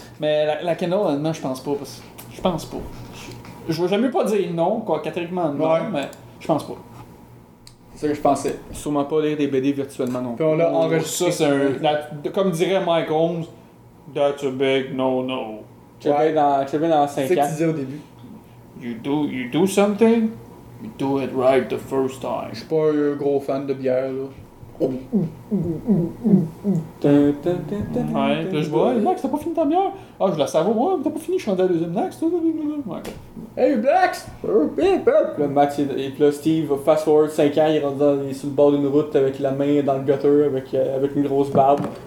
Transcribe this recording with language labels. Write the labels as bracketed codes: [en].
[fr] Mais la Kindle, honnêtement, je pense pas. Je pense pas. Je vais jamais pas dire non, quoi, catégoriquement non, mais je pense pas. C'est ça que je pensais. Sûrement pas lire des BD virtuellement non plus. Puis on l'a enregistré. Ça, c'est comme dirait Mike Holmes, [en] that's a big no-no. [fr] Tu es bien dans 5 ans. C'est ce que tu disais au début. [en] You do something, you do it right the first time. [fr] Je suis pas un gros fan de bière, là. Ouais, là je vois, Max, t'as pas fini ta bière. Ah, je la savoure, ouais, mais t'as pas fini, je suis rendu à la deuxième Max. Hey, Max! Le Max et le Steve, [en] fast forward [fr] 5 ans, il est rendu sur le bord d'une route avec la main dans le gutter avec une grosse barbe.